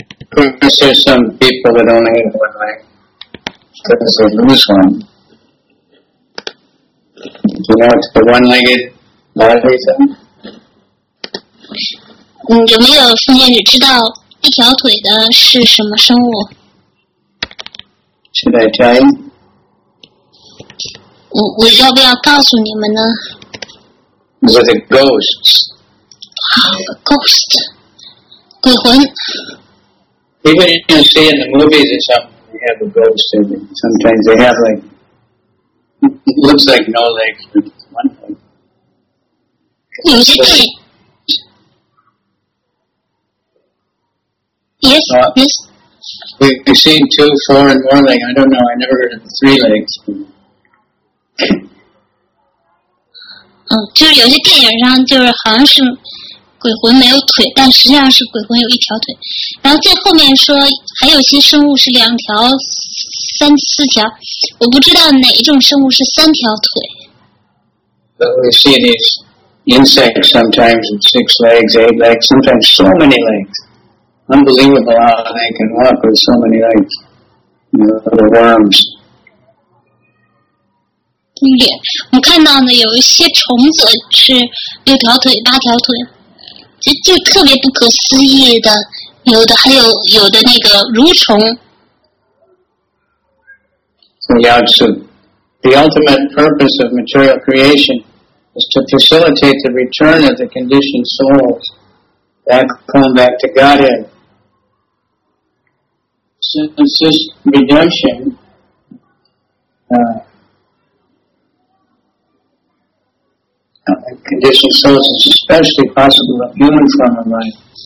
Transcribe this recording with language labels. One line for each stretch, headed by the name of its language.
English: There's some people that only have one leg because they lose one. Do you know what the one-legged body is?
Chinese: 有没有奉献者知道一条腿的是什么生物？
English: Should I tell you?
Chinese: 我要不要告诉你们呢？
English: Were the ghosts. A ghost.
Chinese: 鬼魂。
English: Even if you see in the movies or something, they have a ghost in it. Sometimes they have like, it looks like no legs, but it's one leg. Yes. We've seen two, four, and more legs. I don't know, I never heard of the three legs.
Chinese: 就是有些电影上就是好像是鬼魂没有腿，但实际上是鬼魂有一条腿。然后在后面说还有些生物是两条、三、四条，我不知道哪一种生物是三条腿。
English: But we see these insects sometimes with six legs, eight legs, sometimes so many legs. Unbelievable how they can walk with so many legs. You know, the worms.
Chinese: 我看到呢，有一些虫子是六条腿、八条腿，就特别不可思议的。有的还有的那个蠕虫。
English: So Yao Tzu, the ultimate purpose of material creation is to facilitate the return of the conditioned souls back to Godhead. Since this redemption, conditioned souls is especially possible in human form of life.